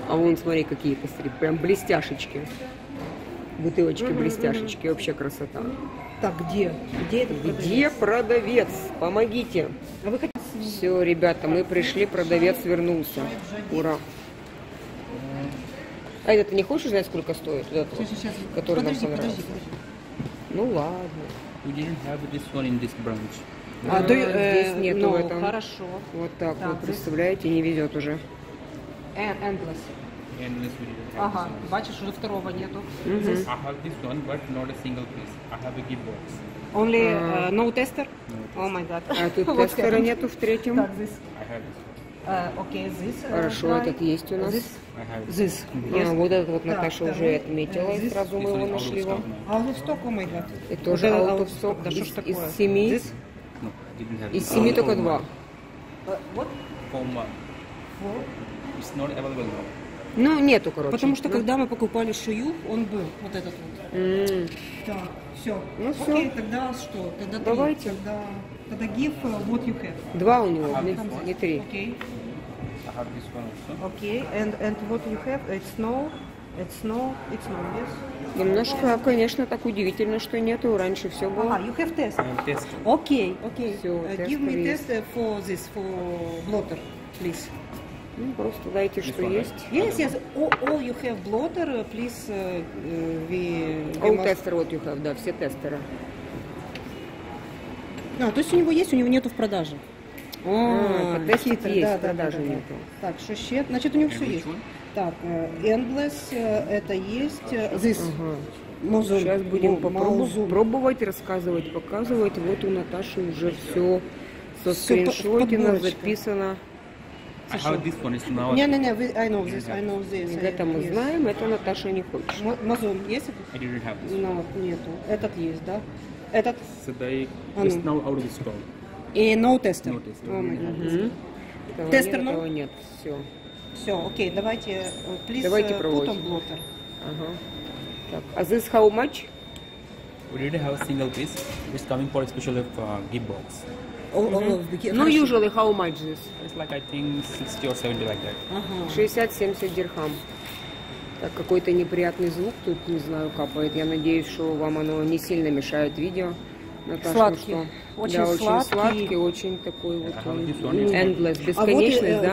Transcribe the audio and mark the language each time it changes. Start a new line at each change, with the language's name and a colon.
Russian: А вон, смотри, какие посмотри, прям блестяшечки. Бутылочки, блестяшечки, вообще красота. Так, где? Где это продавец? Где продавец? Помогите. А вы хотите... Все, ребята, мы пришли, продавец вернулся. Ура. А это ты не хочешь знать, сколько стоит? Вот этот, который подожди, нам понравился. Подожди. Ну ладно.
English: We didn't have this one in this branch.
Russian: А до здесь нету
English: no,
Russian: этого. Хорошо. Вот так, вы представляете, не везет уже.
English: Endless.
Russian: Ага, бачиш, уже второго нету.
English: I have this one, but not a single piece. I have a gift box. Only no tester? No tester. Oh my god.
Russian: А тут тестера нету в третьем? Так, this. Окей, this. Хорошо, этот есть у нас.
English: This. This. Yes.
Russian: Вот этот вот Наташа уже отметила, и сразу мы его нашли.
English: Аутосток, oh my god.
Russian: Это тоже аутосток. Да что ж такое? Из семи? Из семи только два.
English: What? Four. Four? It's not available now.
Russian: Ну, нету, короче. Потому что, когда мы покупали шую, он был, вот этот вот. Так, все. Ну, все. Окей, тогда что? Тогда три. Давайте.
English: Тогда give what you have.
Russian: Два у него, не три. Окей.
English: I have this one also. Окей, and what you have? It's no, yes.
Russian: Немножко, конечно, так удивительно, что нету. Раньше все было.
English: Ага, you have test.
Russian: Окей, окей.
English: Give me test for this, for blotter, please.
Russian: Ну, просто дайте, что one, есть.
English: Yes, yes. All you have blotter, please, we all must... tester what you have, да, все тестеры.
Russian: А, то есть у него есть, у него нету в продаже. О, тестер есть, в продаже нету. Так, что еще? Значит, у него все есть. Так, endless, это есть.
English: This.
Russian: Сейчас будем пробовать, рассказывать, показывать. Вот у Наташи уже все со скриншотина записано.
English: I have this one, it's now... Не-не-не, I know this.
Russian: Это мы знаем, это Наташа не хочет. Мазон, есть это?
English: I didn't have this.
Russian: No, нету. Этот есть, да? Этот?
English: Today, it's now out of the store. И no tester? No tester. Oh, mm-hmm.
Russian: Тестер, но? Этого нет, все. Все, окей, давайте, please, давайте put
English: on blotter.
Russian: Ага.
English: Так, this how much? We didn't have a single piece. It's coming for especially for gift box. Ну, usually, how much this? It's like, I think, 60 or 70, like that.
Russian: 60-70 дирхам. Так, какой-то неприятный звук тут, не знаю, капает. Я надеюсь, что вам оно не сильно мешает видео. Наташа, сладкий. Что? Очень, да, сладкий. Очень сладкий, очень такой вот endless, бесконечность, да?